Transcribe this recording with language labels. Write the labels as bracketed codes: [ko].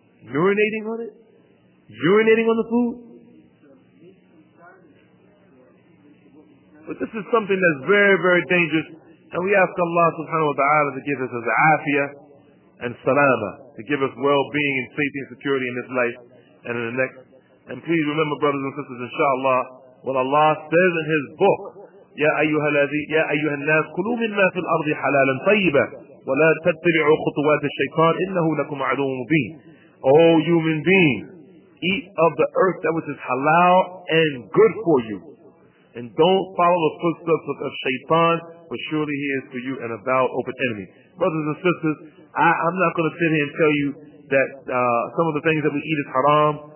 [en] urinating on it? Urinating on the food? But this is something that's very, very dangerous. And we ask Allah subhanahu wa ta'ala to give us his afiyah and salama, to give us well-being and safety and security in this life and in the next. And please remember, brothers and sisters, inshallah, what Allah says in his book, [ar] يَا أَيُّهَا النَّاسِ كُلُوا مِنَّا فِي الْأَرْضِ حَلَالًا طَيِّبًا وَلَا تَتَّبِعُوا خُطُوَاتِ الشَّيْطَانِ إِنَّهُ لَكُمْ عَدُوٌ مُبِينٌ. [en] O human being, eat of the earth that which is halal and good for you. And don't follow the footsteps of Shaitan, for surely he is for you an avowed open enemy. Brothers and sisters, I'm not going to sit here and tell you that some of the things that we eat is haram.